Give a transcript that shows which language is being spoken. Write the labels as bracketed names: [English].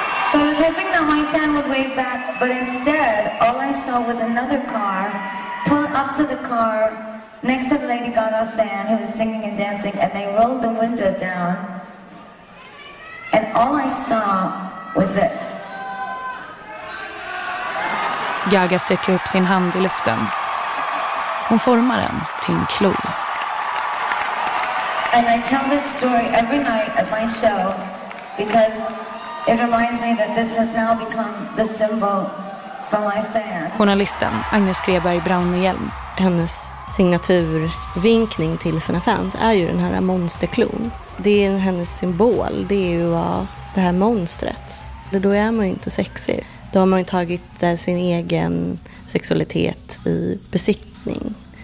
[English] So I was hoping that my fan would wave back, but instead, all I saw was another car pull up to the car next to the Lady Gaga fan who was singing and dancing, and they rolled the window down, and all I saw was this. [Swedish] Gaga sträcker upp sin hand i luften. Hon formar den till en klo. [English] And I tell this story every night at my show because... It reminds me that this has now become the symbol for my fans. [Swedish] Journalisten Agnes Greberg Braunehjelm. Hennes signaturvinkning till sina fans är ju den här monsterklon. Det är hennes symbol, det är ju det här monstret. Då är man ju inte sexy. Då har man ju tagit sin egen sexualitet i besittning.